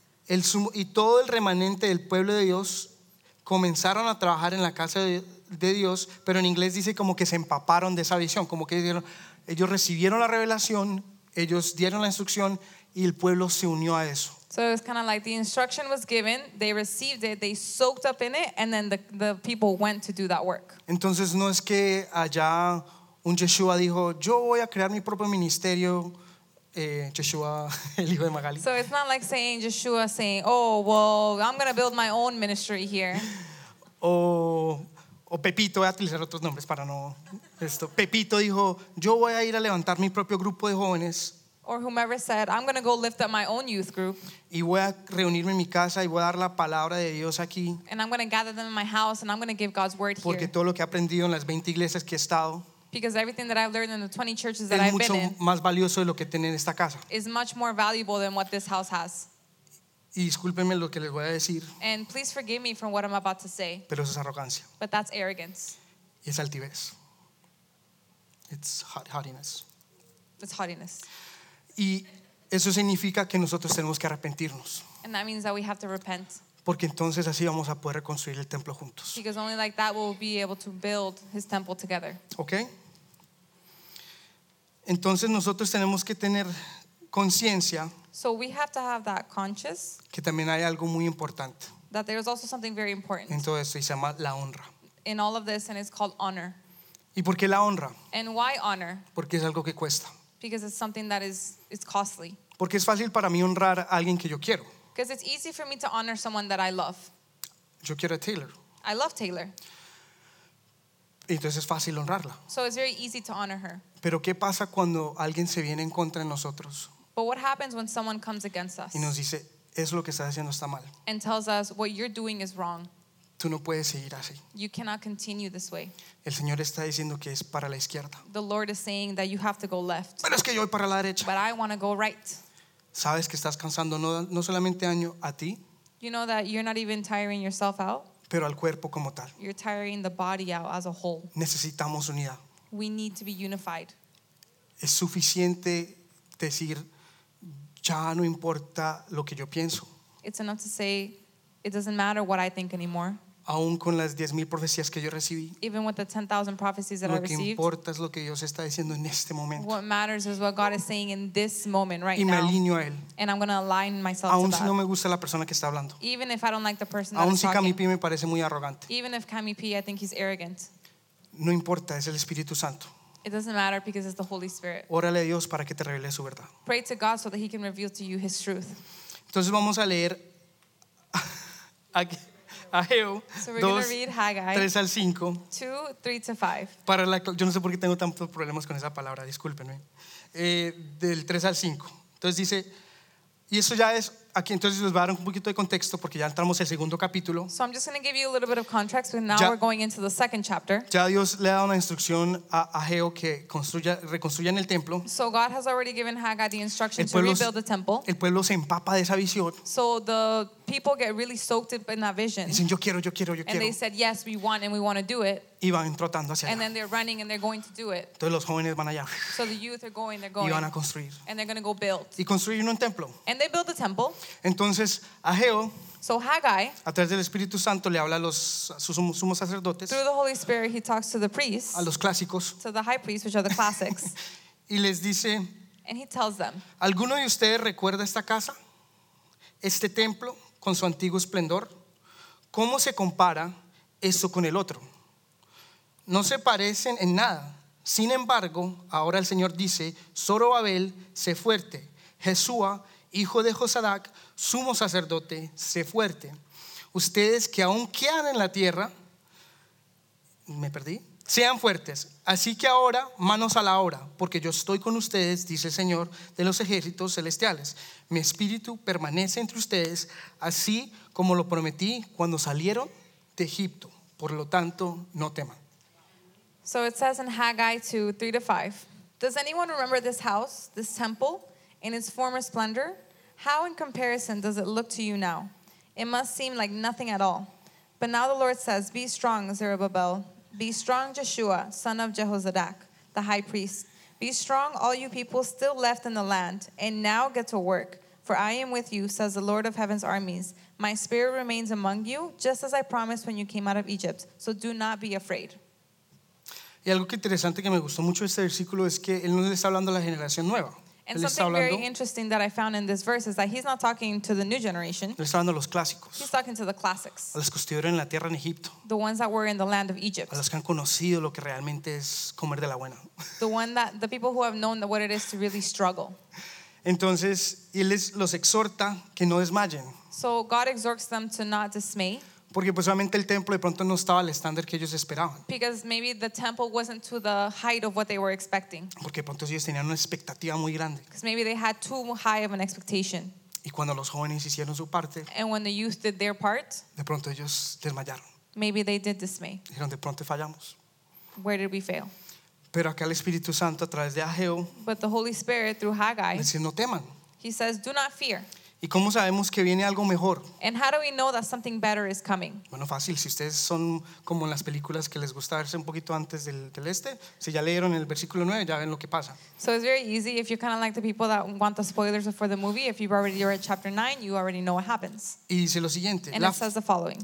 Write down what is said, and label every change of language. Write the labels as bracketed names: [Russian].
[Spanish] El sumo, y todo el remanente del pueblo de Dios comenzaron a trabajar en la casa de Dios, pero en inglés dice como que se empaparon de esa visión, como que dijeron. Ellos recibieron la revelación, ellos dieron la instrucción y el pueblo se unió a eso. [English] So it's kind of like the instruction was given, they received it, they soaked up in it, and then the people went to do that work. [Spanish] Entonces no es que allá un Yeshua dijo, yo voy a crear mi propio ministerio, Yeshua, el hijo de Magali. [English] So it's not like saying Yeshua saying, oh, well, I'm going to build my own ministry here. [Spanish] O Pepito, voy a utilizar otros nombres para no esto. Pepito dijo, yo voy a ir a levantar mi propio grupo de jóvenes. [English] Or whomever said, I'm going to go lift up my own youth group. [Spanish] Y voy a reunirme en mi casa y voy a dar la palabra de Dios aquí. [English] And I'm going to gather them in my house and I'm going to give God's word here. [Spanish] Porque todo lo que he aprendido en las 20 iglesias que he estado. [English] Because everything that I've learned in the 20 churches that I've been in. [Spanish] Es mucho más valioso de lo que tiene esta casa. [English] Is much more valuable than what this house has. [Spanish] Y discúlpenme lo que les voy a decir. [English] And please forgive me from what I'm about to say. [Spanish] Pero eso es arrogancia. [English] But that's arrogance. [Spanish] Y es altivez. [English] It's haughtiness. It's haughtiness. [Spanish] Y eso significa que nosotros tenemos que arrepentirnos. [English] And that means that we have to repent. [Spanish] Porque entonces así vamos a poder reconstruir el templo juntos. [English] Because only like that we'll be able to build his temple together. Okay. [Spanish] Entonces nosotros tenemos que tener conciencia. [English] So we have to have that conscious. [Spanish] Que también hay algo muy importante. [English] That there is also something very important. [Spanish] En todo esto y se llama la honra. [English] In all of this and it's called honor. [Spanish] ¿Y por qué la honra? [English] And why honor? [Spanish] Porque es algo que cuesta. [English] Because it's something that is costly. [Spanish] Porque es fácil para mí honrar a alguien que yo quiero. [English] Because it's easy for me to honor someone that I love. [Spanish] Yo quiero a Taylor. [English] I love Taylor. [Spanish] Entonces es fácil honrarla. [English] So it's very easy to honor her. [Spanish] Pero ¿qué pasa cuando alguien se viene en contra de nosotros? [English] But what happens when someone comes against us? [Spanish] Y nos dice, es lo que estás haciendo está mal. [English] And tells us, what you're doing is wrong. [Spanish] Tú no puedes seguir así. [English] You cannot continue this way. [Spanish] El Señor está diciendo que es para la izquierda. [English] The Lord is saying that you have to go left. [Spanish] Pero es que yo voy para la derecha. [English] But I want to go right. [Spanish] Sabes que estás cansando no solamente año a ti. [English] You know that you're not even tiring yourself out. [Spanish] Pero al cuerpo como tal. [English] You're tiring the body out as a whole. [Spanish] Necesitamos unidad. [English] We need to be unified. [Spanish] Es suficiente decir ya no importa lo que yo pienso. [English] It's enough to say it doesn't matter what I think anymore. [Spanish] Aún con las 10,000 profecías que yo recibí. [English] Even with the 10,000 prophecies that I received. [Spanish] Lo que importa es lo que Dios está diciendo en este momento. [English] What matters is what God is saying in this moment right now. [Spanish] Y me alineo a él. [English] And I'm going to align myself. [Spanish] Aún si no me gusta la persona que está hablando. [English] Even if I don't like the person that's talking. [Spanish] Aún si Cami P me parece muy arrogante. [English] Even if Cami P, I think he's arrogant. [Spanish] No importa, es el Espíritu Santo. [English] It doesn't matter because it's the Holy Spirit. [Spanish] Órale a Dios para que te revele su verdad. [English] Pray to God so that he can reveal to you his truth. [Spanish] Entonces vamos a leer Ageo, [English] so we're going to read Haggai [Spanish] 3 al 5. [English] 2, 3 to 5. [Spanish] Para la, yo no sé por qué tengo tantos problemas con esa palabra, discúlpenme. Del 3 al 5. Entonces dice, y eso ya es aquí, entonces les voy a dar un poquito de contexto porque ya entramos al segundo capítulo. [English] So I'm just going to give you a little bit of context, but now ya, we're going into the second chapter. [Spanish] Ya Dios le ha dado una instrucción a Ageo que construya, reconstruya en el templo. [English] So God has already given Haggai the instruction to rebuild the temple. [Spanish] El pueblo se empapa de esa visión. [English] So the people get really soaked in that vision. [Spanish] Dicen, yo quiero, yo quiero, yo quiero. [English] And they said, yes, we want and we want to do it. [Spanish] Y van trotando hacia [English] and [Spanish] allá. [English] Then they're running and they're going to do it. [Spanish] Entonces los jóvenes van allá. [English] So the youth are going, they're going. [Spanish] Y van a construir. [English] And they're going to go build. [Spanish] Y construyen un templo. [English] And they build a temple. [Spanish] Entonces, Ageo, [English] so Haggai, [Spanish] a través del Espíritu Santo, le habla a los sumos sacerdotes. [English] Through the Holy Spirit, he talks to the priests. [Spanish] A los clásicos. [English] To the high priests, which are the classics. [Spanish] Y les dice, [English] and he tells them, [Spanish] ¿alguno de ustedes recuerda esta casa? Este templo. Con su antiguo esplendor, ¿cómo se compara eso con el otro? No se parecen en nada. Sin embargo, ahora el Señor dice, Zorobabel, sé fuerte. Jesúa, hijo de Josadac, sumo sacerdote, sé fuerte. Ustedes que aún quedan en la tierra, me perdí, sean fuertes. Así que ahora, manos a la obra, porque yo estoy con ustedes, dice el Señor de los ejércitos celestiales. Mi espíritu permanece entre ustedes, así como lo prometí cuando salieron de Egipto. Por lo tanto, no teman. [English] So it says in Haggai 2:3-5, does anyone remember this house, this temple, in its former splendor? How in comparison does it look to you now? It must seem like nothing at all. But now the Lord says, be strong, Zerubbabel. Be strong, Yeshua, son of Jehozadak, the high priest. Be strong, all you people still left in the land, and now get to work. For I am with you, says the Lord of heaven's armies. My spirit remains among you, just as I promised when you came out of Egypt. So do not be afraid. [Spanish] Y algo que interesante que me gustó mucho este versículo es que él no le está hablando a la generación nueva. [English] And something very interesting that I found in this verse is that he's not talking to the new generation. [Spanish] Está hablando a los clásicos. [English] He's talking to the classics. [Spanish] A los que estuvieron en la tierra en Egipto. [English] The ones that were in the land of Egypt. [Spanish] A los que han conocido lo que realmente es comer de la buena. [English] The people who have known what it is to really struggle. [Spanish] Entonces, él los exhorta que no desmayen. [English] So God exhorts them to not dismay. [Spanish] Porque posiblemente el templo de pronto no estaba al estándar que ellos esperaban. [English] Because maybe the temple wasn't to the height of what they were expecting. [Spanish] Porque pronto ellos tenían una expectativa muy grande. [English] Because maybe they had too high of an expectation. [Spanish] Y cuando los jóvenes hicieron su parte. [English] And when the youth did their part. [Spanish] De pronto ellos desmayaron. [English] Maybe they did dismay. [Spanish] Dijeron, de pronto fallamos. [English] Where did we fail? [Spanish] Pero acá el Espíritu Santo a través de Ageo. [English] But the Holy Spirit through Haggai. [Spanish] Dice, no teman. [English] He says, do not fear. [Spanish] ¿Y cómo sabemos que viene algo mejor? [English] And how do we know that something better is coming? [Spanish] Bueno, fácil. Si ustedes son como en las películas que les gusta verse un poquito antes del este, si ya leyeron el versículo 9, ya ven lo que pasa. [English] So it's very easy if you're kind of like the people that want the spoilers before the movie. If you've already read chapter 9, you already know what happens. [Spanish] Y dice lo siguiente. [English] And it says the following.